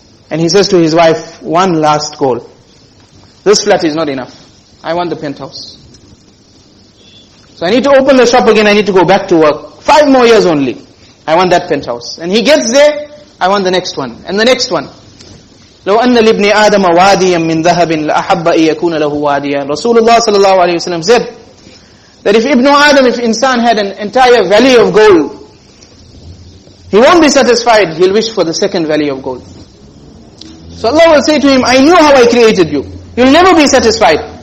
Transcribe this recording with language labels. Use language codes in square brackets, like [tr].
[en] And he says to his wife, one last goal. This flat is not enough. I want the penthouse. So I need to open the shop again, I need to go back to work. 5 more years only. I want that penthouse. And he gets there, I want the next one. And the next one. [ar] لو أن لابن آدم واديا من ذهب لأحب أن يكون له واديا. [en] Rasulullah sallallahu alayhi wa sallam said that if Ibn Adam, if insan had an entire valley of gold, he won't be satisfied, he'll wish for the second valley of gold. So Allah will say to him, I knew how I created you. You'll never be satisfied.